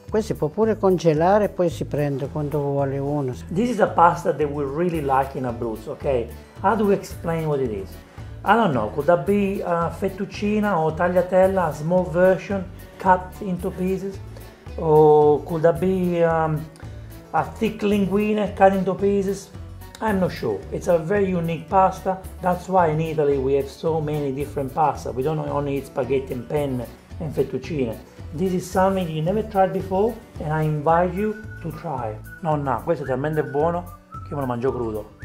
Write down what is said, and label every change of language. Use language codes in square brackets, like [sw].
[it] Questo si può pure congelare e poi si prende quando vuole uno. [en] This is a pasta that we really like in Abruzzo, ok? How do we explain what it is? I don't know, could that be a fettuccina o tagliatella, a small version, cut into pieces? Or could that be a thick linguine cut into pieces? I'm not sure. It's a very unique pasta. That's why in Italy we have so many different pasta. We don't only eat spaghetti and penne and fettuccine. This is something you never tried before and I invite you to try. [it] Nonna, questo è talmente buono che me lo mangio crudo.